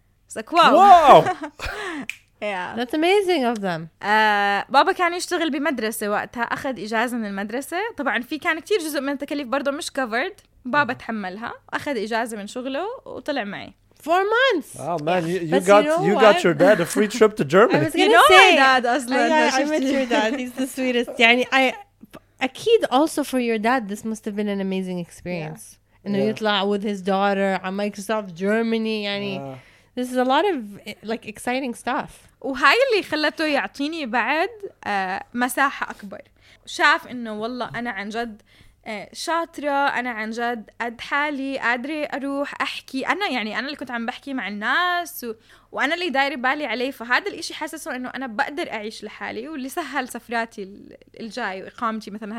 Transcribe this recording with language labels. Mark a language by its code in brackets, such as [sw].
[en] It's like, wow. Wow. Yeah. That's amazing of them. [ar] بابا كان يشتغل بمدرسة وقتها، أخذ إجازة من المدرسة. طبعاً في كان كتير جزء من التكاليف برضو مش [en] covered. [ar] بابا تحملها وأخذ إجازة من شغله وطلع معي. [en] 4 months. Oh man, yeah. you got your dad a free trip to Germany. I was gonna say, my dad [ar] أصلاً. [en] I met your dad. He's the sweetest. [ar] يعني أكيد [en] also for your dad this must have been an amazing experience. Yeah. [ar] إنه يطلع [en] with his daughter on Microsoft Germany [ar] يعني. [en] This is a lot of like exciting stuff. [ar] وهاي اللي خلته يعطيني بعد مساحة أكبر. شاف إنه والله أنا عن جد شاطرة، أنا عن جد قد حالي، قادرة أروح أحكي. أنا يعني أنا اللي كنت عم بحكي مع الناس وأنا اللي داير بالي عليه، فهذا الإشي حسسه إنه أنا بقدر أعيش لحالي، واللي سهل سفراتي الجاي وإقامتي مثلاً.